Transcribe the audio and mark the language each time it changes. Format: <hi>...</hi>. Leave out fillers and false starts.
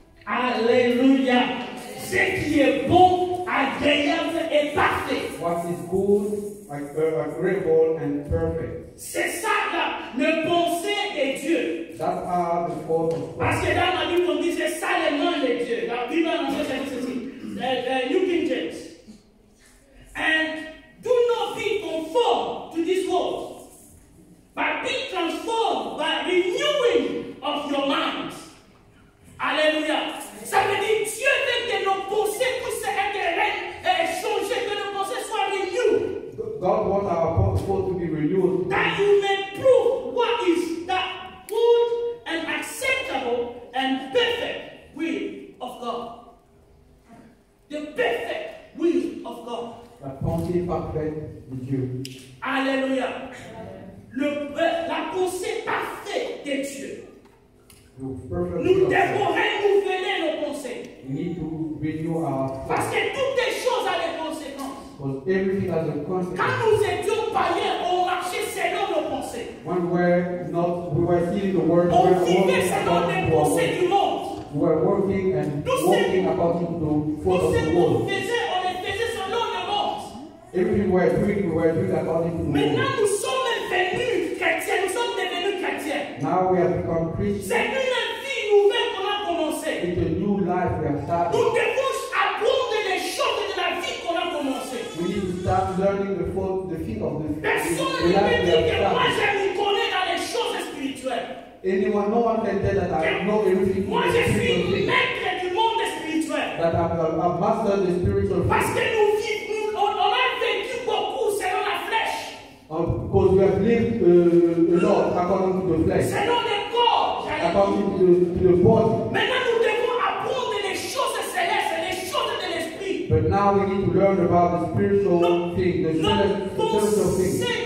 <fr>Alléluia! Ce qui est bon, agréable et parfait.</fr> <en>What is good, agreeable and perfect.</en> <fr>C'est ça là, le pensée de Dieu.</fr> <en>That are the thoughts of God.</en> <fr>Parce que dans la Bible on disait ça les mains de Dieu. La Bible en anglais c'est ceci. New King James.</fr> <en>And do not be conformed to this world, but be transformed by renewing of your mind.</en> <fr>Alléluia. Ça veut dire Dieu veut que nos pensées puissent être changées, que nos pensées soient renouvelées.</fr> <en>God wants our thoughts to be renewed. That you may prove what is that good and acceptable and perfect will of God. The perfect will of God.</en> <fr>La pensée parfaite de Dieu. Alléluia. La pensée parfaite de Dieu. Nous devons renouveler nos pensées.</fr> <en>We need to renew our thoughts.</en> <fr>Parce que toutes les choses ont des conséquences.</fr> <en>But everything has a consequence.</en> <fr>Quand nous étions païens, on marchait selon nos pensées.</fr> <en>When we were still in the world,</en> <fr>on vivait selon les pensées du monde.</fr> <en>We were working and walking according to the thoughts of the world.</en> <fr>Tout ce que nous faisions, on le faisait selon le monde.</fr> <en>Everything we were doing according to the world.</en> <fr>Maintenant nous sommes venus chrétiens, nous sommes devenus chrétiens.</fr> <en>Now we have become Christians.</en> <fr>C'est une vie nouvelle qu'on a commencé.</fr> <en>It's a new life we have started.</en> <fr>Nous devons apprendre les choses de la vie qu'on a commencé.</fr> <en>We need to start learning the thing of the life we have started.</en> <fr>Personne ne peut dire que moi je me connais dans les choses spirituelles.</fr> <en>Anyone, no one can tell that I know everything.</en> <fr>Moi je suis maître du monde spirituel.</fr> <en>That I've mastered the spiritual thing.</en> <fr>Parce que nous a vécu beaucoup selon la flèche.</fr> <en>Because we have lived a lot according to the flesh.</en> <fr>Selon le corps,</fr> <en>according to the body.</en> <fr>Maintenant nous devons apprendre les choses célestes, les choses de l'esprit.</fr> <en>But now we need to learn about the spiritual thing, the spiritual thing.</en>